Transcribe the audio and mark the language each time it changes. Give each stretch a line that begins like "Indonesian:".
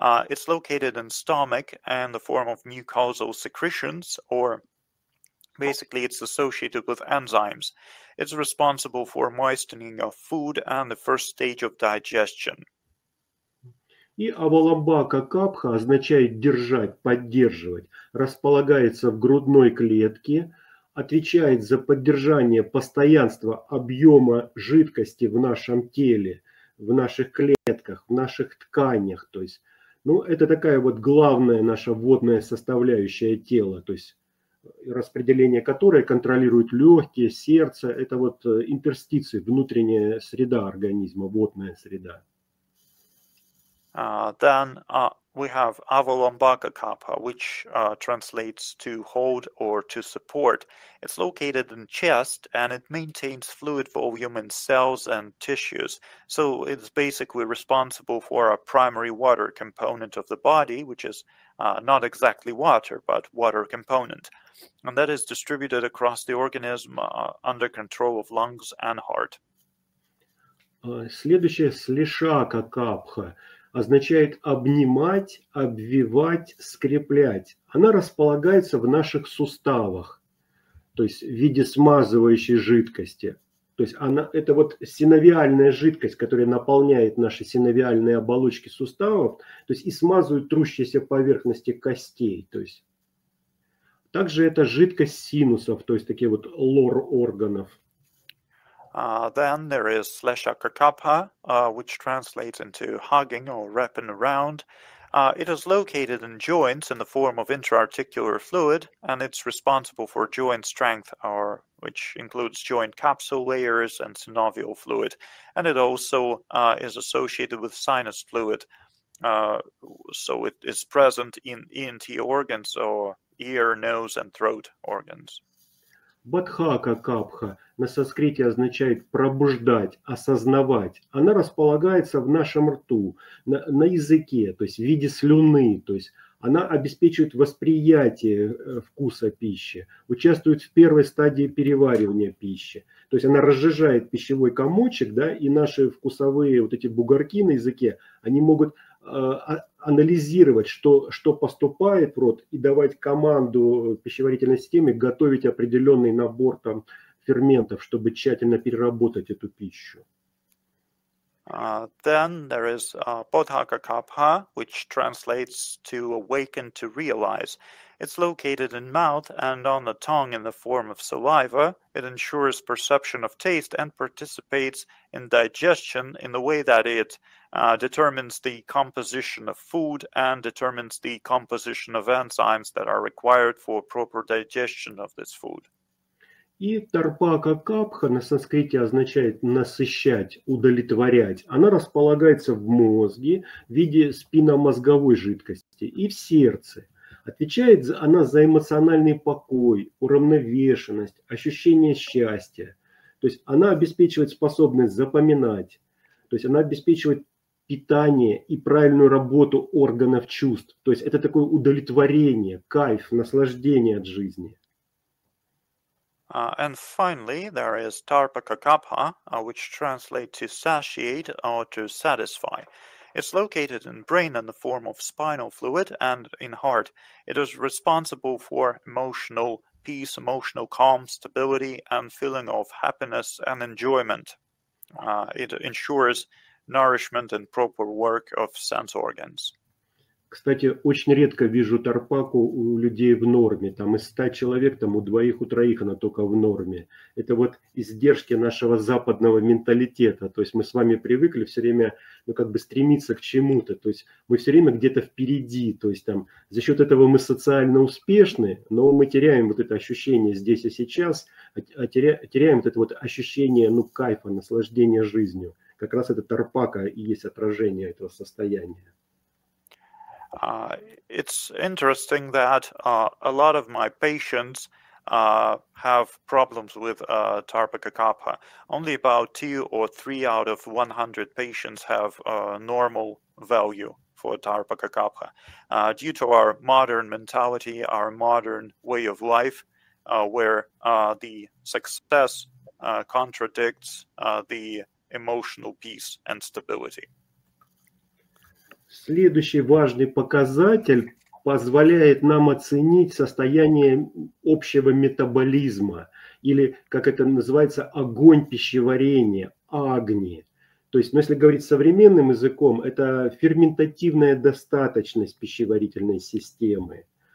English: It's located in stomach and the form of mucosal secretions or basically, it's associated with enzymes. It's responsible for moistening of food and the first stage of digestion.
Russian: И Авалабхака капха означает держать, поддерживать. Располагается в грудной клетке, отвечает за поддержание постоянства объема жидкости в нашем теле, в наших клетках, в наших тканях. То есть, ну, это такая вот главная наша водная составляющая тела. То есть распределение которой контролирует легкие, сердце, это вот интерстиции, внутренняя среда организма, водная среда.
English: Then we have Avalambhaka Kapha, which translates to hold or to support. It's located in chest and it maintains fluid volume in cells and tissues. So it's basically responsible for a primary water component of the body, which is not exactly water, but water component. And that is distributed across the organism under control of lungs and heart.
Russian: Следующее слишака капха означает обнимать, обвивать, скреплять. Она располагается в наших суставах, то есть в виде смазывающей жидкости. То есть она, это вот синовиальная жидкость, которая наполняет наши синовиальные оболочки суставов, то есть и смазывает трущиеся поверхности костей. То есть также это жидкость синусов, то есть такие вот лор органов.
English: Then there is Leshaka Kapha, which translates into hugging or wrapping around. It is located in joints in the form of intra-articular fluid, and it's responsible for joint strength, or which includes joint capsule layers and synovial fluid. And it also is associated with sinus fluid, so it is present in ENT organs or ear, nose and throat organs.
Russian: Бадхака капха на санскрите означает пробуждать, осознавать. Она располагается в нашем рту, на языке, то есть в виде слюны. То есть она обеспечивает восприятие вкуса пищи, участвует в первой стадии переваривания пищи. То есть она разжижает пищевой комочек, да, и наши вкусовые вот эти бугорки на языке, они могут анализировать, что поступает в рот, и давать команду пищеварительной системе готовить определенный набор там ферментов, чтобы тщательно переработать эту пищу.
English: Then there is Podhaka Kapha, which translates to awaken to realize. It's located in mouth and on the tongue in the form of saliva. It ensures perception of taste and participates in digestion in the way that it determines the composition of food and determines the composition of enzymes that are required for proper digestion of this food.
Russian: И Тарпака Капха на санскрите означает насыщать, удовлетворять. Она располагается в мозге в виде спинномозговой жидкости и в сердце. Отвечает она за эмоциональный покой, уравновешенность, ощущение счастья. То есть она обеспечивает способность запоминать. То есть она обеспечивает питание и правильную работу органов чувств. То есть это такое удовлетворение, кайф, наслаждение от жизни.
English: And finally, there is Tarpaka Kapha, which translates to satiate or to satisfy. It's located in brain in the form of spinal fluid and in heart. It is responsible for emotional peace, emotional calm, stability, and feeling of happiness and enjoyment. It ensures nourishment and proper work of sense organs.
Russian: Кстати, очень редко вижу Тарпаку у людей в норме. Там из 100 человек, там у двоих, у троих она только в норме. Это вот издержки нашего западного менталитета. То есть мы с вами привыкли все время, ну, как бы стремиться к чему-то. То есть мы все время где-то впереди. То есть там за счет этого мы социально успешны, но мы теряем вот это ощущение здесь и сейчас, теряем вот это вот ощущение, ну, кайфа, наслаждения жизнью. Как раз это Тарпака и есть отражение этого состояния.
English: It's interesting that a lot of my patients have problems with Tarpaka Kapha. Only about 2 or 3 out of 100 patients have a normal value for Tarpaka Kapha. Due to our modern mentality, our modern way of life, where the success contradicts the emotional peace and stability.
Russian: Следующий важный показатель позволяет нам оценить состояние общего метаболизма, или, как это называется, огонь пищеварения, агни. То есть, ну, если говорить современным языком, это ферментативная достаточность пищеварительной системы.